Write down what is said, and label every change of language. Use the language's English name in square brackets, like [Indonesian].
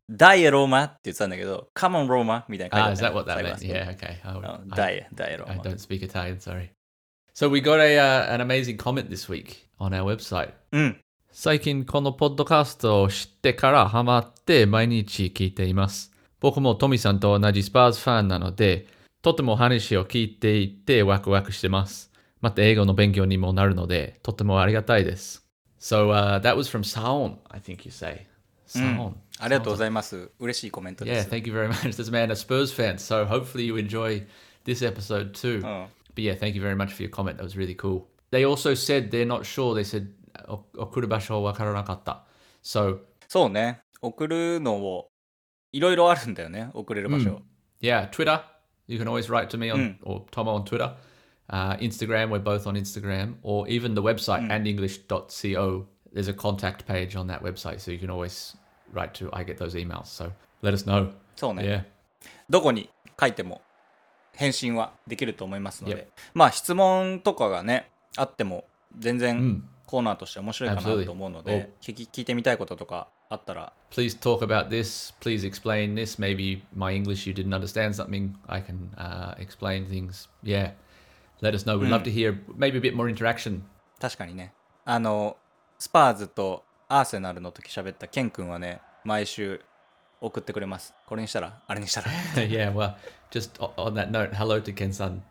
[Japanese] ダイエローマって言ってたんだけど、カモンローマみたいな感 [English] じで。Is that what that meant? Yeah, okay. [Japanese] ダイエローマ。 [English] I don't speak Italian, sorry. So we got an amazing comment this week on our website. [Japanese] うん。最近このポッドカストを知ってからハマって毎日聞いています。僕もトミさんと同じスパーズファンなので、とても話を聞いていてワクワクしてます。また英語の勉強にもなるので、とてもありがたいです。 [English] So that was from Saon, I think you say. Saon.、 [Japanese] うん、ありがとうございます。嬉しいコメントです。 [English] Yeah, thank you very much. This man is a Spurs fan, so hopefully you enjoy this episode too.、うん、 But yeah, thank you very much for your comment. That was really cool. They also said they're not sure. They said, [Japanese] 送る場所わからなかった。 [English] So, [Japanese] そうね。送るのをいろいろあるんだよね。送れる場所。 [English] Yeah, Twitter. You can always write to me or Tomo on Twitter. Instagram, we're both on Instagram, or even the website andenglish.co. There's a contact page on that website, so you can always write to. I get those emails, so let us know. [Japanese] そうね。 [English] Yeah. [Japanese] どこに書いても返信はできると思いますので、まあ質問とかがねあっても全然コーナーとして面白いかなと思うので、聞いてみたいこととかあったら。 [English] Please talk about this. Please explain this. Maybe my English, you didn't understand something. I can explain things. Yeah. Let us know. We'd love to hear maybe a bit more interaction. [Japanese] 確かにね。あの、スパーズとアーセナルの時喋ったケン君はね、毎週送ってくれます。これにしたら、あれにしたら。 [English] Yeah, well, just on that note, hello to Ken-san.